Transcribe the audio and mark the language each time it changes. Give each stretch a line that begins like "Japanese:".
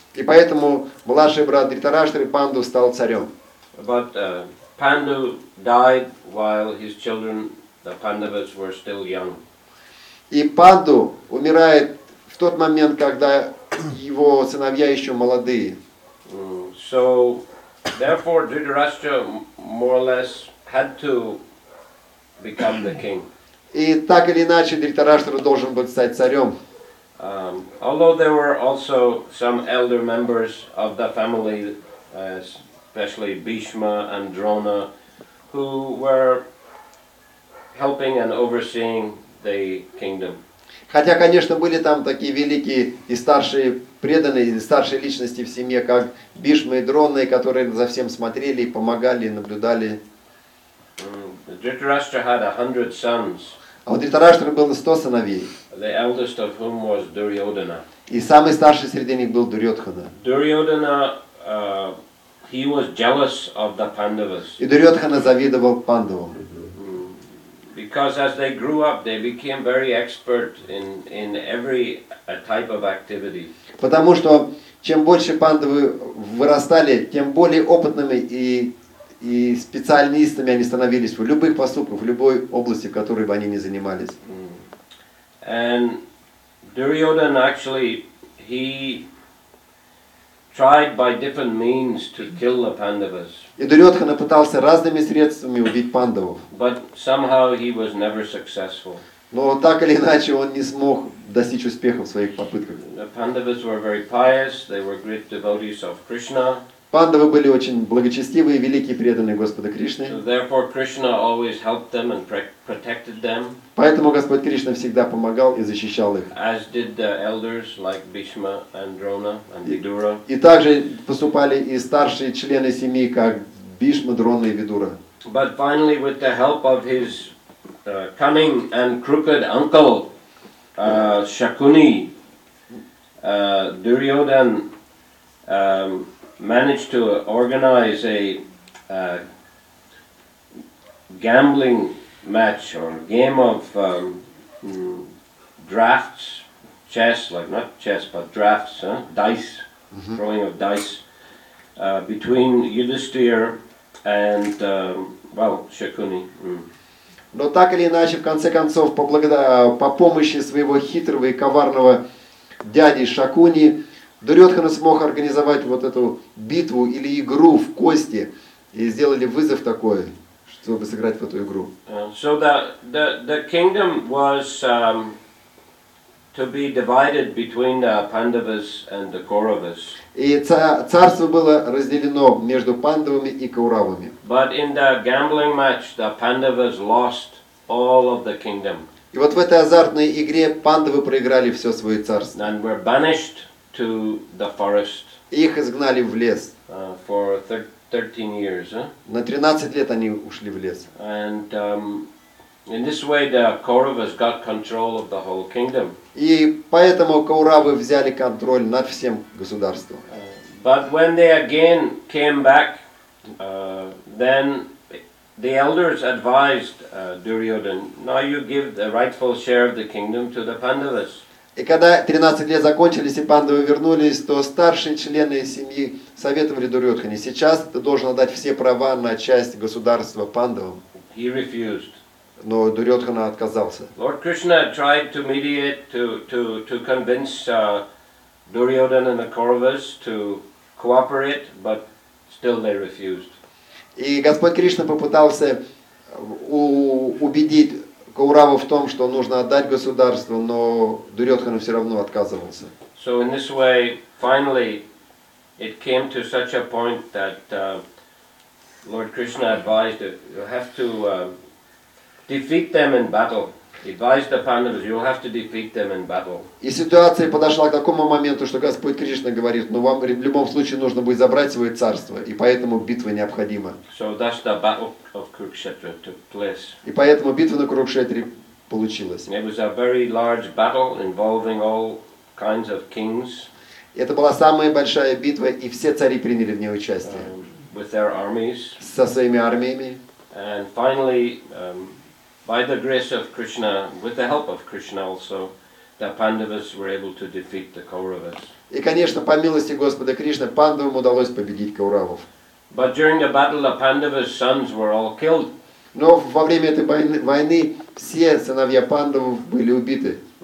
Russian: И поэтому младший брат Дритараштры Панду стал царем.
English: But Pandu died while his children, the Pandavas, were still young.
Russian: И Панду умирает в тот момент, когда его сыновья еще молодые.
English: So, therefore, Dhritarashtra more or less had to become the king.
Russian: И так или иначе Дхритараштра должен был стать царем.
English: Although there were also some elder members of the family, especially Bhishma and Drona, who were helping and overseeing the kingdom.
Russian: Хотя, конечно, были там такие великие и старшие преданные, и старшие личности в семье, как Бишма и Дроны, которые за всем смотрели, помогали, наблюдали.
English: Dhritarashtra had 100 sons.
Russian: А у Дхритараштры было 100 сыновей.
English: The eldest of whom was Duryodhana.
Russian: И самый старший среди них был Дурьотхана.
English: Duryodhana, he was jealous of the Pandavas.
Russian: И Дурьотхана завидовал Пандавам.
English: Because as they grew up, they became very expert in every type of activity.
Russian: Потому что чем больше Пандавы вырастали, тем более опытными и специалистами они становились в любых поступках, в любой области, в которой бы они ни занимались.
English: And Duryodhana actually he tried by different means to kill the Pandavas.
Russian: И Дурьотхана пытался разными средствами убить Пандавов.
English: But somehow he was never successful.
Russian: Но так или иначе он не смог достичь успеха в своих попытках.
English: The Pandavas were very pious. They were great devotees of Krishna.
Russian: Пандавы были очень благочестивые, великие преданные Господа Кришны.
English: Therefore Krishna always helped them and protected them.
Russian: Поэтому Господь Кришна всегда помогал и защищал их.
English: As did the elders like Bhishma and Drona and Vidura.
Russian: И также поступали и старшие члены семьи, как Бишма, Дрона и Видура.
English: But finally with the help of his cunning and crooked uncle Shakuni, Duryodhan managed to organize a gambling match or game of drafts, chess, like not chess but drafts, dice, throwing of dice between Yudhishthira and Shakuni.
Russian: Но так или иначе, в конце концов, по помощи своего хитрого и коварного дяди Шакуни, Дурьотхана смог организовать вот эту битву или игру в кости и сделали вызов такой, чтобы сыграть в эту игру.
English: So the kingdom was to be divided between the Pandavas and the Kauravas.
Russian: И царство было разделено между Пандавами и Кауравами.
English: But in the gambling match, the Pandavas lost all of the kingdom.
Russian: И вот в этой азартной игре Пандавы проиграли все свое царство.
English: And were banished to the forest.
Russian: Их изгнали в лес.
English: For 13 years.
Russian: На 13 лет они ушли в лес.
English: And in this way the Kauravas got control of the whole kingdom.
Russian: И поэтому Кауравы взяли контроль над всем государством.
English: But when they again came back, then the elders advised Duryodhan, now you give the rightful share of the kingdom to the Pandavas.
Russian: И когда 13 лет закончились и Пандавы вернулись, то старшие члены семьи советовали Дурьотхане, сейчас ты должен отдать все права на часть государства Пандавам.
English: He refused.
Russian: Но Дурьотхана отказался.
English: Lord Krishna tried to mediate to convince Duryodhan and the Kauravas to cooperate, but still they refused.
Russian: И Господь Кришна попытался убедить Кауравов в том, что нужно отдать государство, но Дурьотхана все равно отказывался.
English: So in this way, finally, it came to such a point that Lord Krishna advised that you have to defeat them in battle. Advised the Pandavas, you have to defeat them in battle.
Russian: И ситуация подошла к такому моменту, что Господь Кришна говорит, ну вам в любом случае нужно будет забрать свое царство, и поэтому битва необходима.
English: So that's the battle of Kurukshetra took place.
Russian: И поэтому битва на Курукшетре получилась.
English: It was a very large battle involving all kinds of kings.
Russian: Это была самая большая битва, и все цари приняли в ней участие.
English: With their armies.
Russian: Со своими армиями.
English: And finally, by the grace of Krishna, with the help of Krishna also, the Pandavas were able to defeat the Kauravas.
Russian: И, конечно, по милости Господа Кришны, Пандавам удалось победить Кауравов.
English: But during the battle, the Pandavas' sons were all killed.
Russian: Но во время этой войны все сыновья Пандавов были убиты.